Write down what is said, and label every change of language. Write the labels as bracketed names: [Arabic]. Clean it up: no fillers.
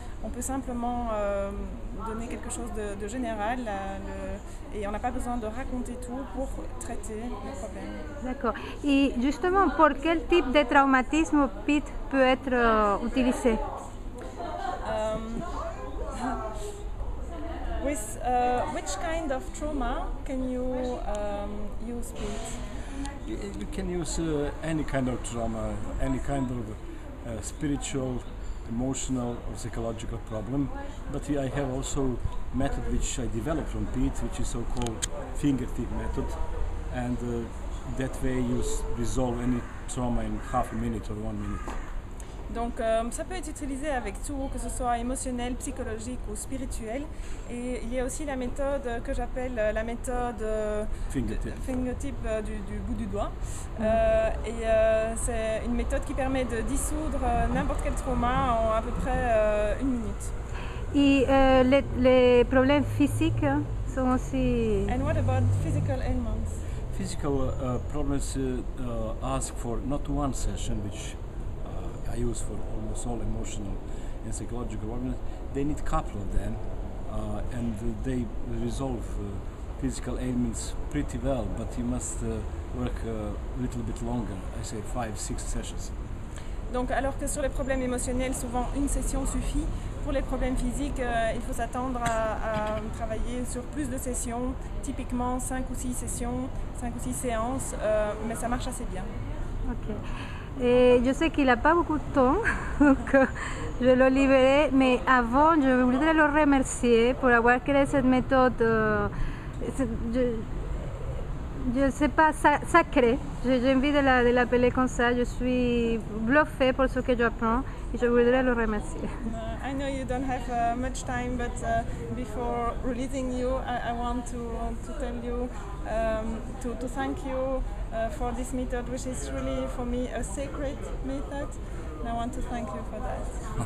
[French] On peut simplement donner quelque chose de général et on n'a pas besoin de raconter tout pour traiter le problème. D'accord. Et justement, pour quel type de traumatisme PEAT peut être utilisé? [English] With which kind of trauma can you use, please? You can use any kind of trauma, any kind of spiritual, emotional or psychological problem. But I have also method which I developed from Pete, which is so-called fingertip method. And that way you resolve any trauma in half a minute or 1 minute. [French] Donc ça peut être utilisé avec tout, que ce soit émotionnel, psychologique ou spirituel. Et il y a aussi la méthode que j'appelle la méthode [English] fingertip [French] du bout du doigt. Et c'est une méthode qui permet de dissoudre n'importe quel trauma en à peu près une minute. Et les problèmes physiques sont aussi... [English] And what about physical ailments? Physical problems ask for not one session, which I use for almost all emotional and psychological problems. They need a couple of them, and they resolve physical ailments pretty well, but you must work a little bit longer, I say 5-6 sessions. [French] Donc, alors que sur les problèmes émotionnels, souvent une session suffit. Pour les problèmes physiques, il faut s'attendre à travailler sur plus de sessions, typiquement 5 ou 6 sessions, 5 ou 6 séances, mais ça marche assez bien. Ok. Et je sais qu'il n'a pas beaucoup de temps, donc je le libérerai, mais avant, je voudrais le remercier pour avoir créé cette méthode, je ne sais pas, sacrée. J'ai envie de l'appeler comme ça, je suis bluffée pour ce que j'apprends. Je voudrais le remercier. [English] I know you don't have much time, but before releasing you, I want to tell you to thank you for this method, which is really for me a sacred method, and I want to thank you for that.